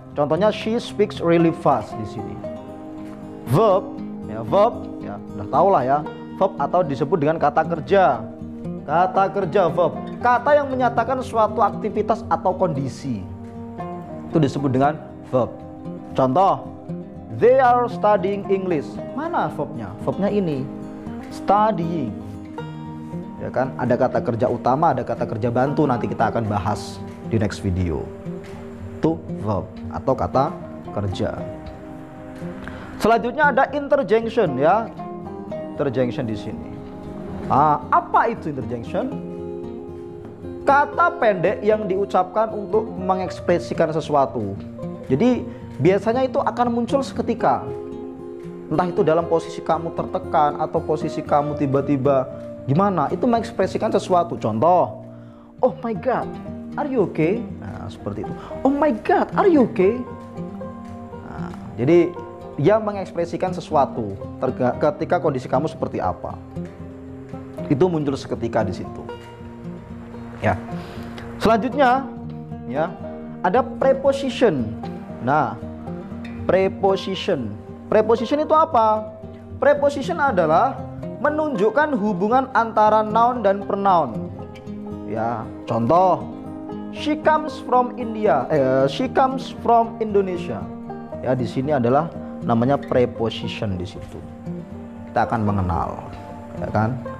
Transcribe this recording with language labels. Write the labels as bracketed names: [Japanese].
[Indonesian] Contohnya [English] she speaks really fast [Indonesian] di sini. Verb ya udah tahulah ya. Verb atau disebut dengan kata kerja. Kata kerja verb, kata yang menyatakan suatu aktivitas atau kondisi. Itu disebut dengan verb. [English] Contoh, they are studying English. [Indonesian] Mana verbnya? Verbnya ini. Studying. Ya kan? Ada kata kerja utama, ada kata kerja bantu, nanti kita akan bahas di [English] next video. [Indonesian] Itu verb atau kata kerja. Selanjutnya ada interjection ya. Interjection di sini. Apa itu interjection? Kata pendek yang diucapkan untuk mengekspresikan sesuatu. Jadi biasanya itu akan muncul seketika. Entah itu dalam posisi kamu tertekan atau posisi kamu tiba-tiba gimana, itu mengekspresikan sesuatu. [English] Contoh, oh my god, are you okay? [Indonesian] Nah, seperti itu. [English] Oh my god, are you okay? [Indonesian] Nah, jadi dia mengekspresikan sesuatu ketika kondisi kamu seperti apa. Itu muncul seketika di situ. Ya. Selanjutnya, ya, ada preposition. Nah, preposition. Preposition itu apa? Preposition adalah menunjukkan hubungan antara noun dan pronoun. Ya, contoh, [English] she comes from India. She comes from Indonesia. [Indonesian] Ya, di sini adalah namanya preposition di situ. Kita akan mengenal. ya kan?